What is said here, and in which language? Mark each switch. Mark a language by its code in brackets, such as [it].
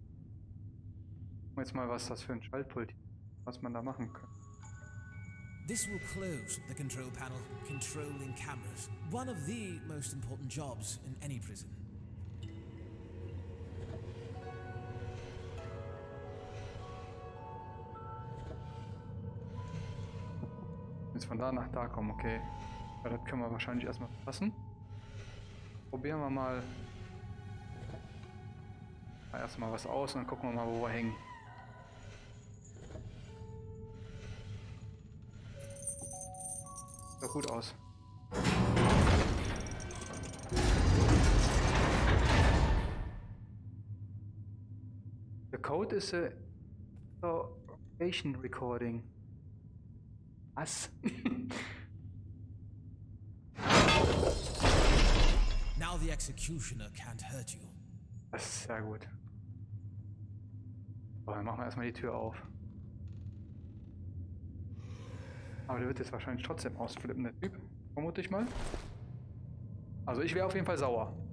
[de] Gucken wir jetzt mal, was das für ein Schaltpult ist, was man da machen kann. [en] This will close the control panel, controlling cameras. One of the most important jobs in any prison. [de] Jetzt von da nach da kommen, okay. Ja, das können wir wahrscheinlich erstmal verpassen. Probieren wir mal erstmal was aus und dann gucken wir mal, wo wir hängen. Sieht gut aus. [en] The code is a location recording. [de] Was? [en] Now the executioner can't hurt you. [de] Das ist sehr gut. Aber dann machen wir erstmal die Tür auf. Aber der wird jetzt wahrscheinlich trotzdem ausflippen, der Typ, vermute ich mal. Also ich wäre auf jeden Fall sauer.